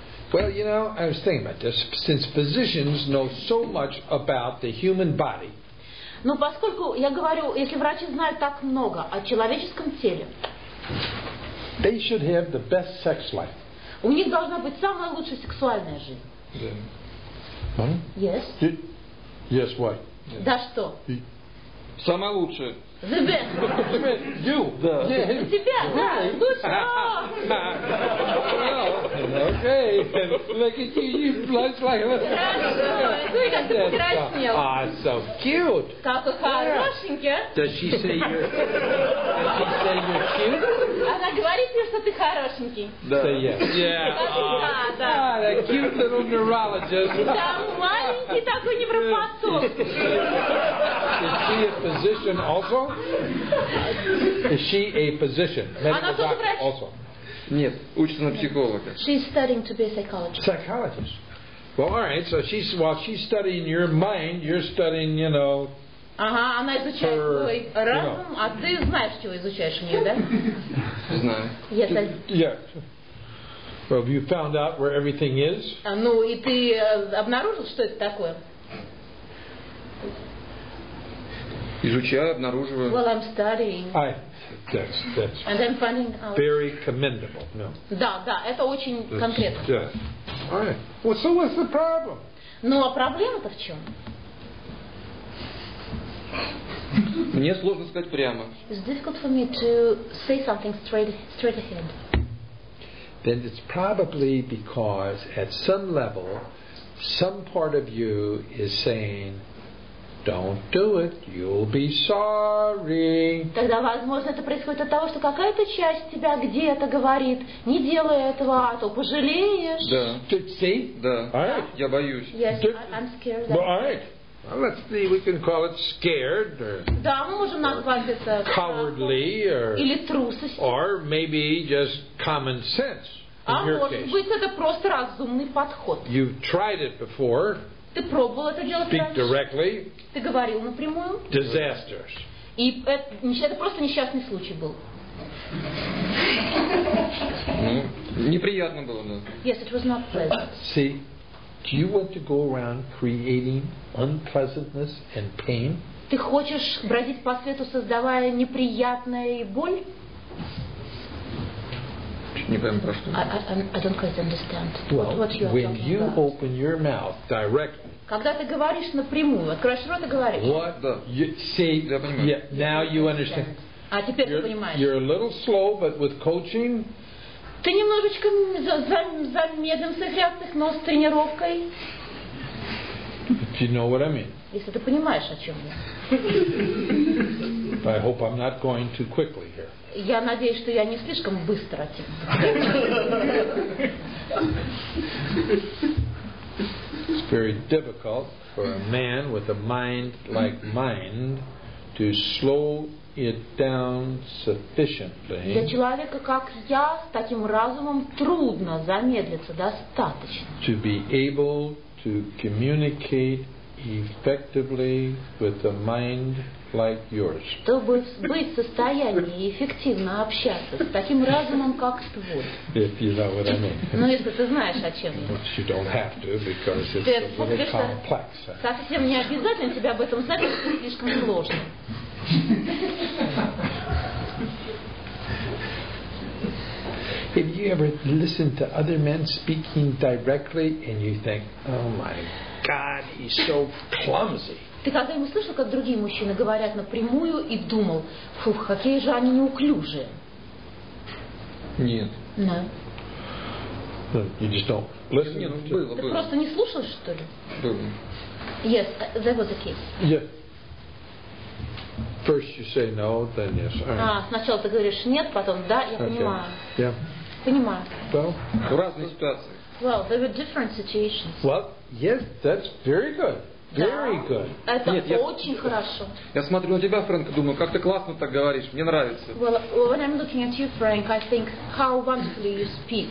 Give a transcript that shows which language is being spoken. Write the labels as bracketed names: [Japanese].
[English] Well, you know, I was thinking about this. Since physicians know so much about the human body. [Russian] Ну, поскольку я говорю, если врачи знают так много о человеческом теле. [English] They should have the best sex life. [Russian] У них должна быть самая лучшая сексуальная жизнь. [English] Yeah. Huh? Yes. Yes, why? Yeah. [Russian] Да что? Самая лучшая. [English] The best. You. [Russian] Да. Тебя, да. Лучше. [English] Okay. Look at you. You blush like a... so cute. [Russian] Как хорошенький. [English] Does she say you're cute? [Russian] Она говорит мне, что ты хорошенький. Да. [English] Say yes. Yeah. [Russian] Да, да. [English] That cute little neurologist. [Russian] Там маленький такой невропатолог. [English] Is she a physician also? Is she a physician? Medical doctor also? [Russian] Нет, учится на психолога. [English] She's studying to be a psychologist. Psychologist. Well, all right. So she's while she's studying your mind, you're studying, you know. [Russian] Ага, она изучает твой разум, а ты знаешь, чего изучаешь мне, да? Знаю. [English] Yeah. Well, have you found out where everything is? [Russian] Ну и ты обнаружил, что это такое? Изучаю, обнаруживаю. [English] Well, I'm studying. That's. And then finding out. Very commendable. No. [Russian] Да, да, это очень конкретно. [English] Yeah. All right. Well, so what's the problem? [Russian] Ну, а проблема-то в чем? Мне сложно сказать прямо. [English] It's difficult for me to say something straight ahead. Then it's probably because at some level, some part of you is saying, don't do it, you'll be sorry. [Russian] Тогда, возможно, это происходит от того, что какая-то часть тебя где-то говорит, не делай этого, а то пожалеешь. Да. [English] See? [Russian] Да. [English] All right. [Russian] Я боюсь. [English] Yes, I'm scared. Well, all right. Well, let's see, we can call it scared or, [Russian] да, мы можем назвать это [English] cowardly or, [Russian] или трусость. [English] Or maybe just common sense. [Russian] А может быть, это просто разумный подход. [English] You've tried it before. [Russian] Ты пробовал это делать раньше? [English] Speak directly. [Russian] Ты говорил напрямую? [English] Disasters. [Russian] И это просто несчастный случай был. Неприятно было, да. [English] Yes, it was not pleasant. See, do you want to go around creating unpleasantness and pain? [Russian] Ты хочешь бродить по свету, создавая неприятное и боль? Не понимаю, про что. [English] I don't quite understand. Well, what you when are you about. Open your mouth directly. [Russian] Когда ты говоришь напрямую, откроешь рот и говоришь. [English] What? [Russian] Да. [English] You see, yeah, now you understand. [Russian] А теперь ты понимаешь. [English] You're a little slow, but with coaching. [Russian] Ты немножечко замедлен в своих реакциях, но с тренировкой. [English] You know what I mean. [Russian] Если ты понимаешь, о чем я. [English] I hope I'm not going too quickly here. [Russian] Я надеюсь, что я не слишком быстро тем. [English] It's very difficult for a man with a mind like mine to slow it down sufficiently. [Russian] Для человека, как я, с таким разумом трудно замедлиться достаточно. [English] To be able to communicate effectively with a mind like yours. [Russian] Чтобы быть в состоянии эффективно общаться с таким разумом, как твой. [English] If you know what I mean. [Russian] Ну, если ты знаешь, о чем я. [English] But you don't have to, because it's a little complex. [Russian] Совсем не обязательно тебе об этом знать, это слишком сложно. [English] Have you ever listened to other men speaking directly and you think, oh my God, he's so clumsy? [Russian] Ты когда-нибудь слышал, как другие мужчины говорят напрямую и думал, фух, какие же они неуклюжие? Нет. [English] No. You just don't listen. [Russian] Нет, было, ты просто не слушал, что ли? Было. [English] Yes, that was the case. Yeah. First you say no, then yes. [Russian] Сначала ты говоришь нет, потом да, я понимаю. [English] Yeah. [Russian] Понимаю. [English] Well, [Russian] в разные ситуации. [English] Well, there were different situations. Well, yes, that's very good. Very [Russian] да. [English] Good. [Russian] Это нет, очень я, хорошо. Я смотрю на тебя, Фрэнк, думаю, как ты классно так говоришь, мне нравится. [English] Well, when I'm looking at you, Frank, I think how wonderfully you speak.